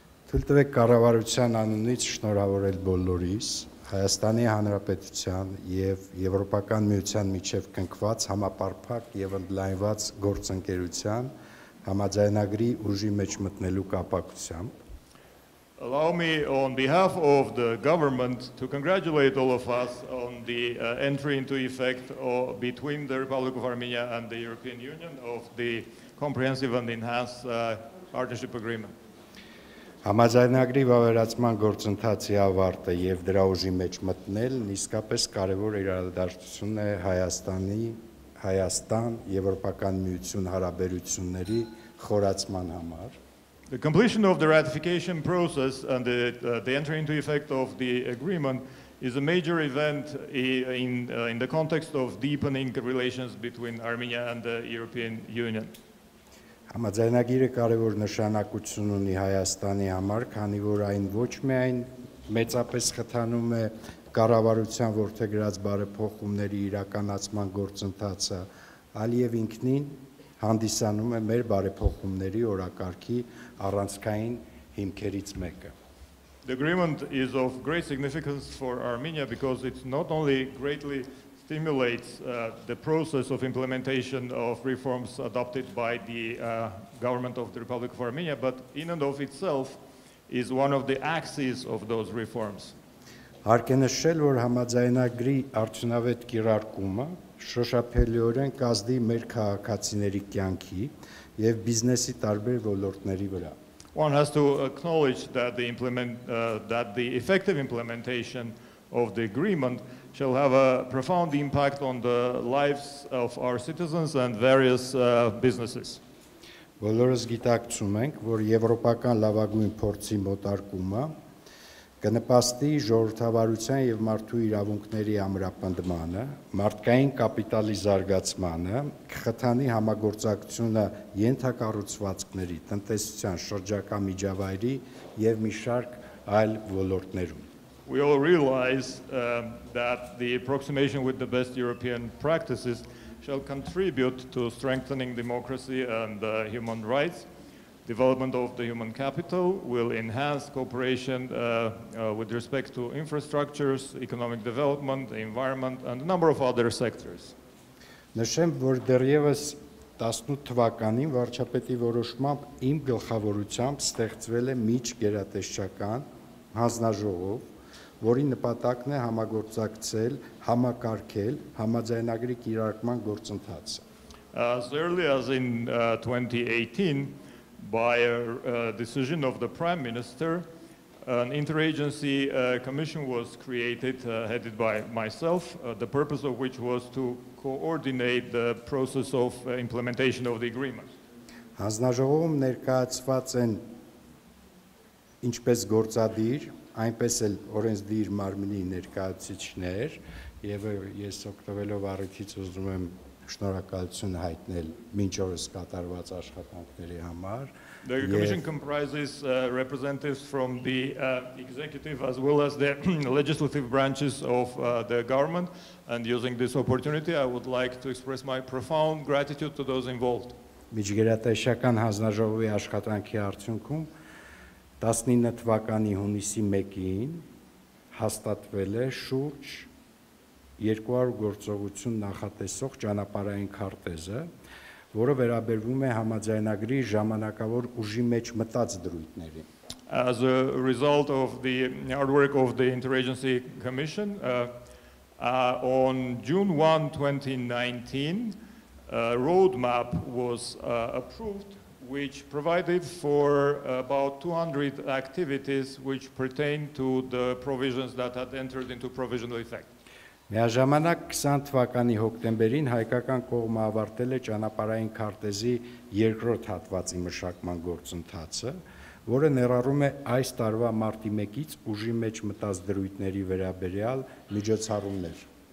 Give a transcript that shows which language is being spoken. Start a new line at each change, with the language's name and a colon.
Armenian: թույլ տվեք կառավարության անունից շնորհավորել բոլորիս Հայաստանի Հանրապետության եւ Եվրոպական Միության միջև կնքված համապարփակ եւ ընդլայնված գործընկերության Համաձայնագրի ուժի մեջ մտնելու կապակցությամբ.
English: Allow me on behalf of the government to congratulate all of us on the entry into effect between the Republic of Armenia and the European Union of the comprehensive and enhanced partnership agreement.
Armenian: Համաձայնագրի վավերացման գործընթացի ավարտը եւ դրա ուժի մեջ մտնելն իսկապես կարեւոր իրադարձություն է Հայաստանի Հայաստան-Եվրոպական միություն հարաբերությունների խորացման համար։
English: The completion of the ratification process and the entry into effect of the agreement is a major event in the context of deepening relations between Armenia and the European Union.
Armenian: Համաձայնագիրը կարևոր նշանակություն ունի Հայաստանի համար, քանի որ այն ոչ միայն մեծապես խթանում է կառավարության որդեգրած բարեփոխումների իրականացման գործընթացը, այլ եւ ինքնին հանդիսանում է մեր բարեփոխումների օրակարգի առանցքային հիմքերից մեկը.
English: The agreement is of great significance for Armenia because it's not only greatly stimulates the process of implementation of reforms adopted by the government of the Republic of Armenia, but in and of itself is one of the axes of those reforms.
Armenian: Հարկ է նշել, որ համաձայնագրի արդյունավետ կիրարկումը շոշափելիորեն կազդի մեր քաղաքացիների կյանքի եւ բիզնեսի տարբեր ոլորտների վրա.
English: One has to acknowledge that the effective implementation of the agreement shall have a profound impact on the lives of our citizens and various businesses.
Armenian: Բոլորս գիտակցում ենք, որ եվրոպական լավագույն փորձի մոտարկումը կնպաստի ժողովրդավարության եւ մարդու իրավունքների ամրապնդմանը, մարդկային կապիտալի զարգացմանը, կխթանի համագործակցությունը ենթակառուցվածքների, տնտեսության, շրջակա միջավայրի եւ մի շարք այլ ոլորտներում.
English: We all realize that the approximation with the best European practices shall contribute to strengthening democracy and human rights. Development of the human capital will enhance cooperation with respect to infrastructures, economic development, the environment, and a number of other sectors.
Armenian: Նշեմ, որ դեռևս 18 թվականին վարչապետի որոշմամբ իմ գլխավորությամբ ստեղծվել է միջգերատեսչական հանձնաժողով, որի նպատակն է համագործակցել, համակարգել համաձայնագրի կիրարկման գործընթացը.
English: As early as in 2018, by a decision of the Prime Minister, an interagency commission was created, headed by myself, the purpose of which was to coordinate the process of implementation of the agreement.
Armenian: Հանձնաժողովում ներկայացված են ինչպես գործադիր, այնպես էլ օրենսդիր մարմինի ներկայացուցիչներ եւ ես օգտվելով առիթից ուզում եմ շնորհակալություն հայտնել մինչ օրս կատարված աշխատանքների համար։
English: The commission comprises representatives from the executive as well as the legislative branches of the government and using this opportunity I would like to express my profound gratitude to those involved.
Armenian: Միջգերատեսչական հանձնաժողովի աշխատանքի արդյունքում 19 թվականի հունիսի 1-ին հաստատվել է շուրջ 200 գործողություն նախատեսող ճանապարհային քարտեզը, որը վերաբերվում է համաձայնագրի ժամանակավոր ուժի մեջ մտած դրույթների։
English: As a result of the hard work of the Interagency Commission, on June 1, 2019, a roadmap was approved which provided for about 200 activities which pertain to the provisions that had entered into provisional effect.
Armenian: Միաժամանակ 20 թվականի հոկտեմբերին հայկական կողմը ավարտել է ճանապարհային քարտեզի երկրորդ հատվածի մշակման գործընթացը, որը ներառում է այս տարվա մարտի 1-ից ուժի մեջ մտած դրույթների վերաբերյալ միջոցառումներ.